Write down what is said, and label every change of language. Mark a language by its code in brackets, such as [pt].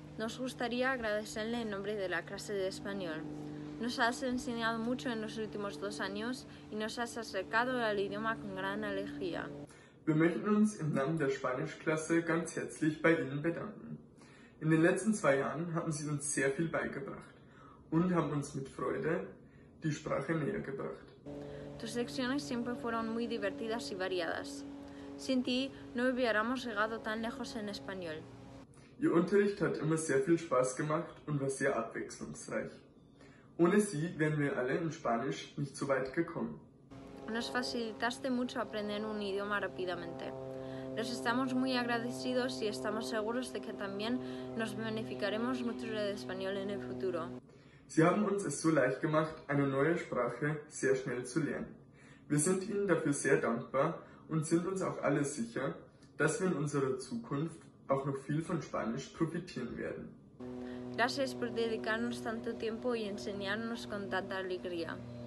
[es] Nos gustaría agradecerle en nombre de la clase de español. Nos has enseñado mucho en los últimos 2 años y nos has acercado al idioma con gran alegría. [de] Wir möchten uns im Namen der Spanischklasse ganz herzlich bei Ihnen bedanken. In den letzten 2 Jahren haben Sie uns sehr viel beigebracht und haben uns mit Freude die Sprache näher gebracht. [es] Tus lecciones siempre fueron muy divertidas y variadas. Sin ti no hubiéramos llegado tan lejos en español. [de] Ihr Unterricht hat immer sehr viel Spaß gemacht und war sehr abwechslungsreich. Ohne Sie wären wir alle in Spanisch nicht so weit gekommen. [es] Nos facilitaste mucho aprender un idioma rápidamente. Les estamos muy agradecidos y estamos seguros de que también nos beneficiaremos mucho de español en el futuro. [de] Sie haben uns es so leicht gemacht, eine neue Sprache sehr schnell zu lernen. Wir sind Ihnen dafür sehr dankbar und sind uns auch alle sicher, dass wir in unserer Zukunft auch noch viel von Spanisch profitieren werden. [es] Gracias por dedicarnos tanto tiempo y enseñarnos con tanta alegría.